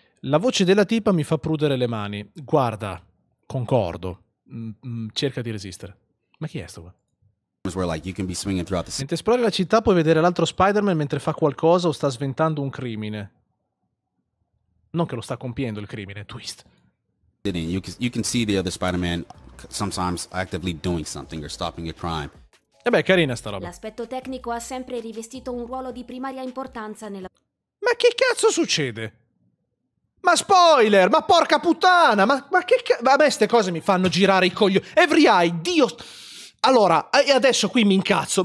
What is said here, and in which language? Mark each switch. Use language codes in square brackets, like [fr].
[it] La voce della tipa mi fa prudere le mani. Guarda, concordo. Cerca di resistere. Ma chi è sto qua? Mentre esplori la città puoi vedere l'altro Spider-Man mentre fa qualcosa o sta sventando un crimine. Non che lo sta compiendo il crimine, twist. [en] You can see the other Spider-Man sometimes actively doing something or stopping a crime. [it] E beh, carina sta roba. L'aspetto tecnico ha sempre rivestito un ruolo di primaria importanza nella... Ma che cazzo succede? Ma spoiler! Ma porca puttana! Ma che cazzo... Ma a me ste cose mi fanno girare i coglioni. Every eye, Dio... Allora, e adesso qui mi incazzo.